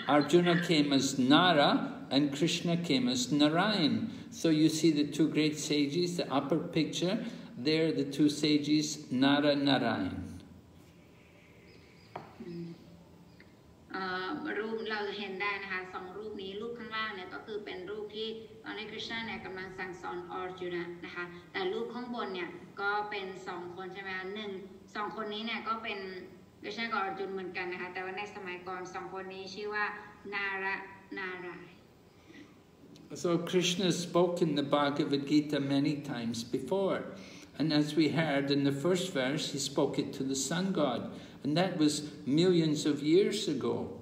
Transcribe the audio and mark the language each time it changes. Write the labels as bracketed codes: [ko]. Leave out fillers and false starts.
[en] Arjuna came as Nara, and Krishna came as Narayan. So you see the two great sages, the upper picture, there the two sages, Nara, Narayan. [th] รูปเราจะเห็นได้นะคะสองรูปนี้รูปข้างล่างเนี่ยก็คือเป็นรูปที่ตอนนี้คริสต์เนี่ยกำลังสั่งสอนอร์จุนะนะคะแต่รูปข้างบนเนี่ยก็เป็นสองคนใช่ไหมคะหนึ่งสองคนนี้เนี่ยก็เป็นคริสต์กับอร์จุนเหมือนกันนะคะแต่ว่าในสมัยก่อนสองคนนี้ชื่อว่านารานาราย [en] So Krishna spoke in the Bhagavad Gita many times before, and as we heard in the first verse, he spoke it to the sun god. And that was millions of years ago.